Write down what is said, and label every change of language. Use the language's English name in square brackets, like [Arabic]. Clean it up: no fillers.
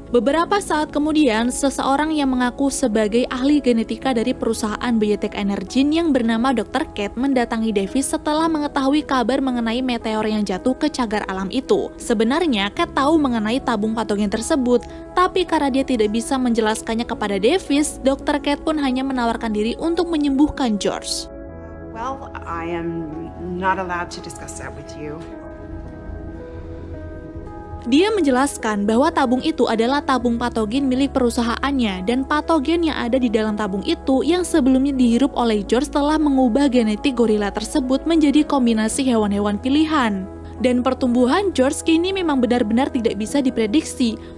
[Indonesian] Beberapa saat kemudian, seseorang yang mengaku sebagai ahli genetika dari perusahaan Biotech Energy yang bernama Dr. Kate mendatangi Davis setelah mengetahui kabar mengenai meteor yang jatuh ke cagar alam itu. Sebenarnya, Kate tahu mengenai tabung patogen tersebut, tapi karena dia tidak bisa menjelaskannya kepada Davis, Dr. Kate pun hanya menawarkan diri untuk menyembuhkan George. [English] Well, I am not allowed to discuss that with you. [Indonesian] Dia menjelaskan bahwa tabung itu adalah tabung patogen milik perusahaannya dan patogen yang ada di dalam tabung itu yang sebelumnya dihirup oleh George telah mengubah genetik gorila tersebut menjadi kombinasi hewan-hewan pilihan. Dan pertumbuhan George kini memang benar-benar tidak bisa diprediksi.